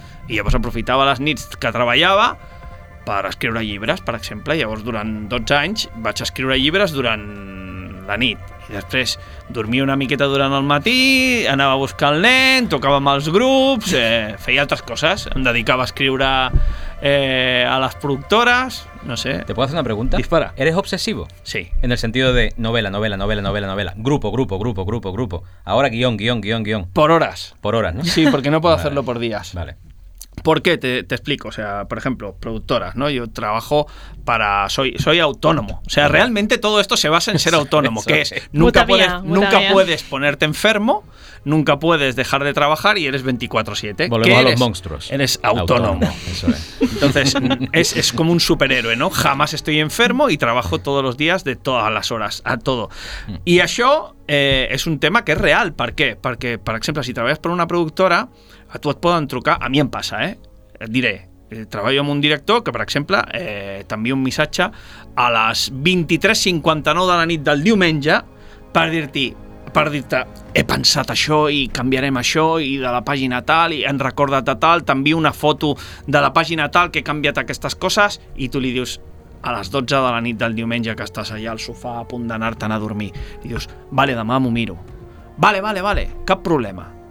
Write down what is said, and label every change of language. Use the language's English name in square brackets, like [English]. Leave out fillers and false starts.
[Catalan] I llavors aprofitava les nits que treballava per escriure llibres, per exemple. Llavors durant 12 anys vaig escriure llibres durant la nit. I després dormia una miqueta durant el matí, anava a buscar el nen, tocava amb els grups, feia altres coses. Em dedicava a escriure a les productores, no sé. [Spanish] ¿Te puedo hacer una pregunta? Dispara. ¿Eres obsesivo? Sí. En el sentido de novela, novela, novela, novela, novela. Grupo, grupo, grupo, grupo, grupo. Ahora guión, guión, guión, guión. Por horas. Por horas, ¿no? Sí, porque no puedo hacerlo por días. Vale. ¿Por qué? Te explico. O sea, por ejemplo, productoras, ¿no? Yo trabajo para... Soy autónomo. O sea, realmente todo esto se basa en ser autónomo, que es... Nunca puedes ponerte enfermo, nunca puedes dejar de trabajar y eres 24-7. Volvemos a los monstruos. Eres autónomo. Eso es. Entonces, es como un superhéroe, ¿no? Jamás estoy enfermo y trabajo todos los días de todas las horas, a todo. Y eso es un tema que es real. ¿Por qué? Porque, por ejemplo, si trabajas por una productora, [Catalan] a tu et poden trucar, a mi em passa, diré, treballo amb un director que, per exemple, t'envia un missatge a les 23:59 de la nit del diumenge per dir-te, he pensat això i canviarem això i de la pàgina tal, i en recorda't de tal, t'envia una foto de la pàgina tal que he canviat aquestes coses, i tu li dius a les 12 de la nit del diumenge que estàs allà al sofà a punt d'anar-te'n a dormir, i dius, vale, demà m'ho miro, vale, cap problema.